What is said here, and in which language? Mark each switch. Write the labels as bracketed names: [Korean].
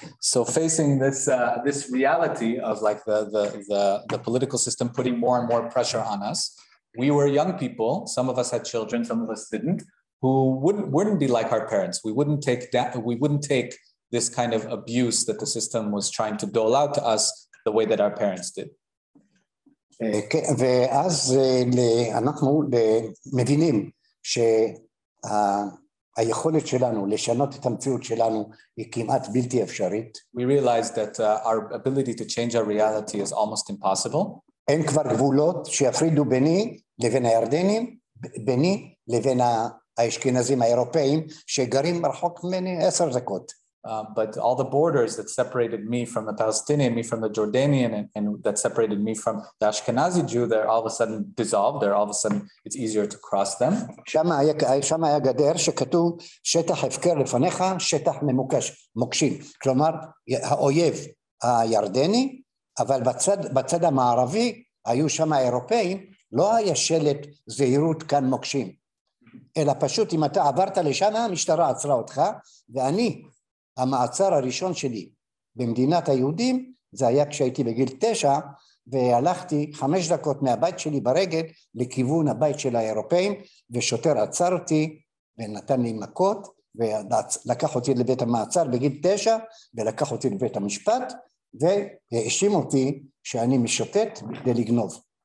[English] So facing this reality of like the political system putting more and more pressure on us, we were young people, some of us had children, some of us didn't, who wouldn't be like our parents. We wouldn't take this kind of abuse that the system was trying to dole out to us the way that our parents did. [Hebrew] ואז אנחנו מבינים ש היכולת שלנו לשנות את המציאות שלנו היא כמעט בלתי אפשרית. [English] We realize that our ability to change our reality is almost impossible. [Hebrew] אין כבר גבולות שיפרידו ביני לבין הירדנים, ביני לבין האשכנזים האירופאים שגרים רחוק ממני 10 דקות. [English] But all the borders that separated me from the Palestinian, me from the Jordanian, and that separated me from the Ashkenazi Jew, they're all of a sudden dissolved. They're all of a sudden, it's easier to cross them. [Hebrew] שם היה גדר שכתוב, שטח הפקר לפניך, שטח ממוקש, מוקשים. כלומר, האויב הירדני, אבל בצד המערבי, היו שם האירופאים, לא היה שלט זהירות כאן מוקשים. אלא פשוט, אם אתה עברת לשם, המשטרה עצרה אותך, ואני, המעצר הראשון שלי במדינת היהודים, זה היה כשהייתי בגיל 9, והלכתי 5 דקות מהבית שלי ברגל לכיוון הבית של האירופאים, ושוטר עצרתי ונתן לי מכות, ולקח אותי לבית המעצר בגיל 9, ולקח אותי לבית המשפט, והאשים אותי שאני משוטט בכדי לגנוב.